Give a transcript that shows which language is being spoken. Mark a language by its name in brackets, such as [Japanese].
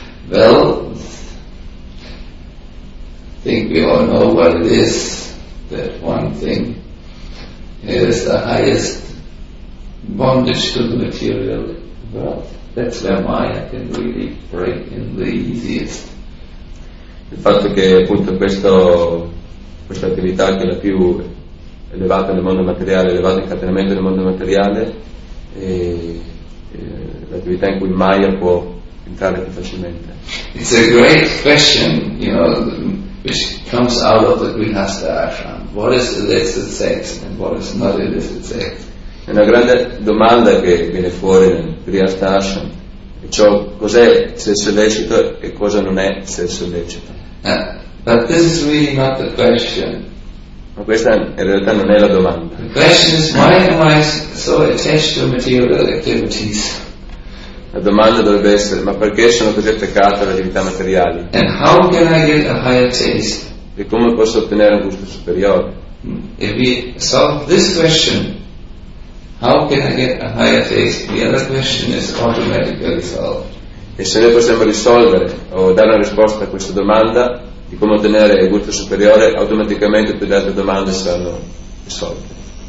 [English] Well, I think we all know what it is, that one thing is the highest bondage to the material world. That's where Maya can really break in the easiest. [Italian] Il fatto che appunto questa attività, che è la più elevata nel mondo materiale, elevato incatenamento nel mondo materiale, e l'attività in cui Maya può entrare più facilmente. [English] It's a great question, you know, which comes out of the Grihastha Ashram. What is illicit sex and what is not illicit sex? [Italian] È una grande domanda che viene fuori nel Grihastha Ashram. Ciò, cos'è sesso lecito e cosa non è sesso lecito? [English] But this is really not the question. [Italian] Ma questa in realtà non è la domanda. [English] The question is, why am I so attached to material activities? [Italian] La domanda dovrebbe essere, ma perché sono così attaccato alle attività materiali? [English] And how can I get a higher taste? [Italian] E come posso ottenere un gusto superiore? [English] If we solve this question, how can I get a higher taste? The other question is automatically solved. [Italian] E se noi possiamo risolvere o dare una risposta a questa domanda di come ottenere il gusto superiore, automaticamente tutte le altre domande saranno risolte.